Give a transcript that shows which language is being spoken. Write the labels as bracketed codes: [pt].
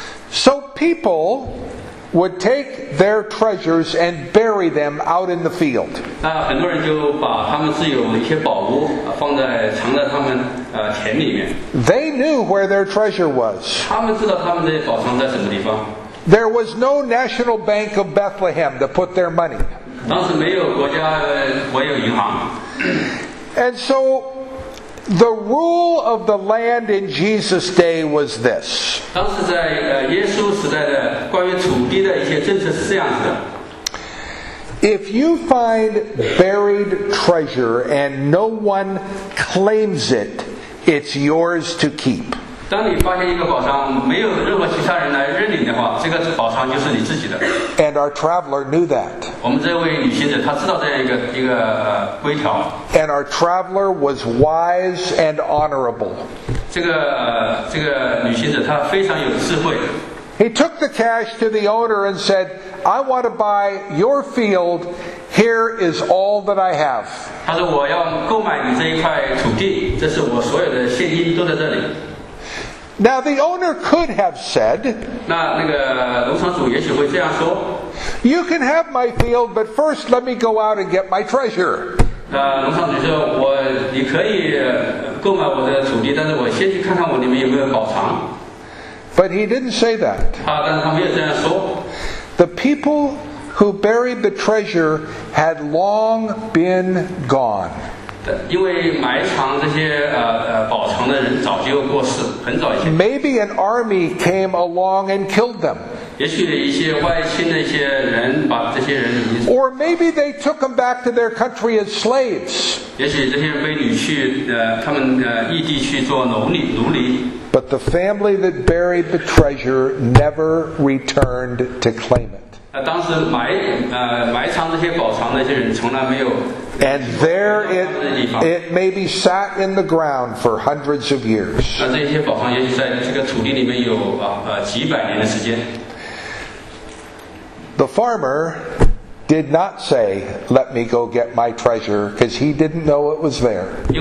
[en] So people would take their treasures and bury them out in the field. [zh] 那很多人就把他们自有的一些宝物藏在他们田里面。 [en] They knew where their treasure was. [zh] 他们知道他们的宝藏在什么地方。 [en] There was no National Bank of Bethlehem to put their money. [zh] 当时没有国家，没有银行。 [en] And so, the rule of the land in Jesus' day was this. [zh] 当时在耶稣时代的关于土地的一些政策是这样子的。 [en] If you find buried treasure and no one claims it, it's yours to keep. [zh] 当你发现一个宝藏没有任何其他人来认领的话，这个宝藏就是你自己的。 [en] And our traveler knew that. [zh] 我们这位旅行者他知道这样一个规条。 [en] And our traveler was wise and honorable. [zh] 这个旅行者他非常有智慧。 [en] He took the cash to the owner and said, I want to buy your field. Here is all that I have. [zh] 他说我要购买你这一块土地，这是我所有的现金都在这里。 [en] Now the owner could have said, [zh] 那个农场主也许会这样说， [en] You can have my field, but first let me go out and get my treasure. [zh] 那农场主说，你可以购买我的土地，但是我先去看看我里面有没有宝藏。 [en] But he didn't say that. [zh] 但是他没有这样说。 [en] The people who buried the treasure had long been gone. [zh] 因为埋藏这些宝藏的人早就过世，很早以前。 [en] Maybe an army came along and killed them. [zh] 也许一些外侵的一些人把这些人。 [en] Or maybe they took them back to their country as slaves. [zh] 也许这些被掳去，他们异地去做奴隶。 [en] But the family that buried the treasure never returned to claim it. [zh] 当时埋藏这些宝藏的那些人从来没有。 [en] And there it maybe sat in the ground for hundreds of years. The farmer did not say, let me go get my treasure, because he didn't know it was there.